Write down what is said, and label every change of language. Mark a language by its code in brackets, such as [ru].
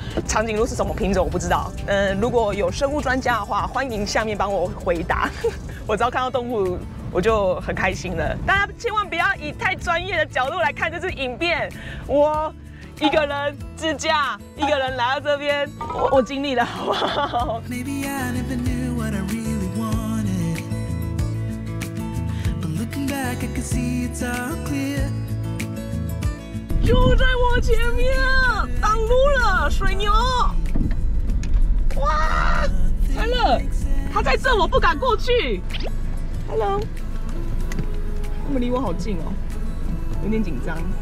[zh] 长颈鹿是什么品种我不知道，如果有生物专家的话欢迎下面帮我回答。我只要看到动物我就很开心了。大家千万不要以太专业的角度来看这支影片，我一个人自驾，一个人来到这边，我尽力了，好不好？ [en] Maybe I never knew what I really wanted, but looking back I can see it's all clear。 [zh] 就在我前面挡路了，水牛！哇，来了，他在这，我不敢过去。 Hello， 他们离我好近哦，有点紧张。